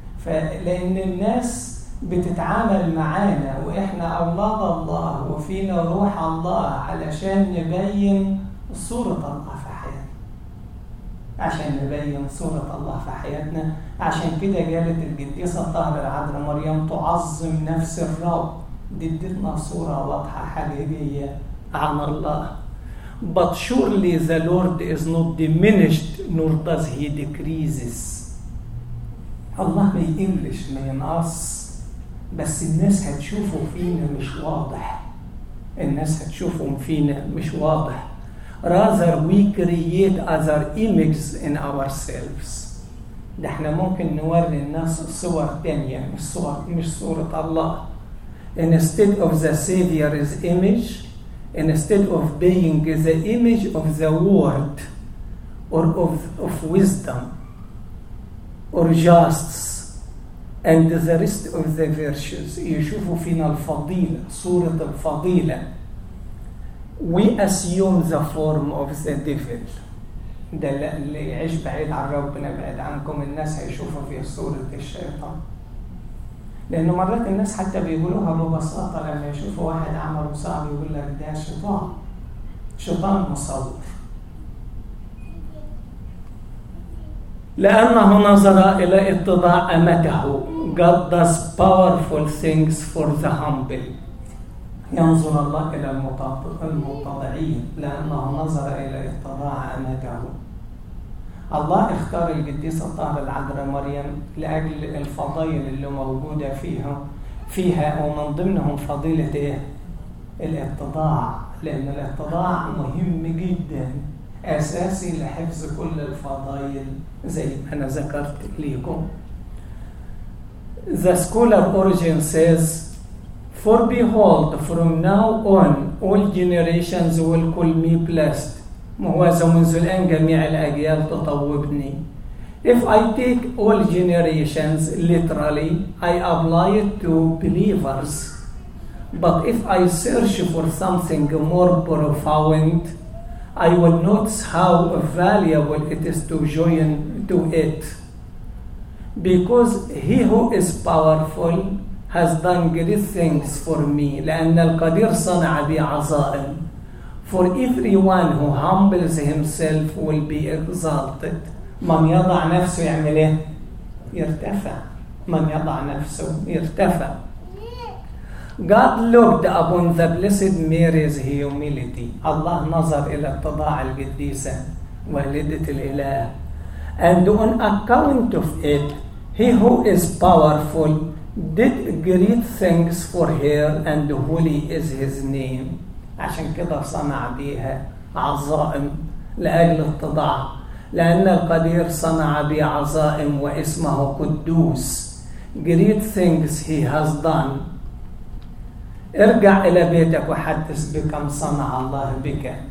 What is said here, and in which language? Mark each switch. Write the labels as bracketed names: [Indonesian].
[Arabic] فلأن الناس بتتعامل معانا وإحنا أولاد الله وفينا روح الله علشان نبين صورة الله في حياتنا. عشان نبين صورة الله في حياتنا عشان كده قالت القديسة الطاهرة العذراء مريم تعظم نفس الرب. دي ادتنا صورة واضحة حقيقية عن الله. [English] But surely the Lord is not diminished nor does he decreases. [Arabic] الله ما يقلش ما ينقص بس الناس هتشوفوا فينا مش واضح. الناس هتشوفوا فينا مش واضح. [English] Rather we create other images in ourselves. [Arabic] ده احنا ممكن نوري الناس صور تانية مش صور مش صورة الله. [English] Instead of the Savior's image, instead of being the image of the Word or of wisdom or justice and the rest of the virtues, [Arabic] يشوفوا فينا الفضيلة صورة الفضيلة. [English] We assume the form of the devil. [Arabic] ده اللي يعيش بعيد عن ربنا بعيد عنكم الناس هيشوفوا في صورة الشيطان. لأنه مرات الناس حتى بيقولوها ببساطة لما يشوفوا واحد عمل صعب يقول لك ده شيطان شيطان مصور. لأنه نظر إلى اتضاع أمته. [English] God does powerful things for the humble. [Arabic] ينظر الله إلى المتضعين لأنه نظر إلى اتضاع أمته. الله اختار القديسة الطاهرة العذراء مريم لأجل الفضائل اللي موجودة فيها ومن ضمنهم فضيلة إيه؟ الاتضاع. لأن الاتضاع مهم جدا أساسي لحفظ كل الفضائل زي ما أنا ذكرت ليكم. [English] The scholar Origen says, For behold, from now on, all generations will call me blessed. مهوذا منذ الآن جميع الأجيال تطوبني. If I take all generations literally, I apply it to believers. But if I search for something more profound, I will notice how valuable it is to join to it. Because he who is powerful has done great things for me. [Arabic] لأن القدير صنع بي عظائم. [English] For everyone who humbles himself will be exalted. [Arabic] من يضع نفسه يعمل ايه؟ يرتفع. من يضع نفسه يرتفع. [English] God looked upon the blessed Mary's humility. [Arabic] الله نظر إلى اتضاع القديسة والدة الإله. [English] And on account of it, he who is powerful did great things for her, and holy is his name. [Arabic] عشان كده صنع بيها عظائم لأجل التضاع. لأن القدير صنع بي عظائم واسمه قدوس. [English] Great things he has done. [Arabic] ارجع إلى بيتك وحدث بكم صنع الله بك.